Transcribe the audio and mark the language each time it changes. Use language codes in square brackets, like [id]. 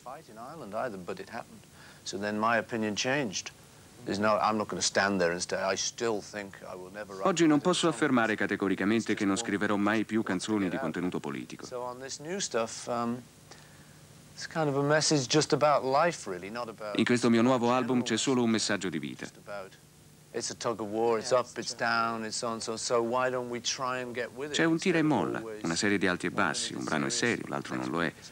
[it] Oggi non posso affermare categoricamente che non scriverò mai più canzoni di contenuto politico. In questo mio nuovo album c'è solo un messaggio di vita. [en] It's a tug of war, it's up, it's down, it's on, so why don't we try and get with it? [it] C'è un tira e molla, una serie di alti e bassi, un brano è serio, l'altro non lo è.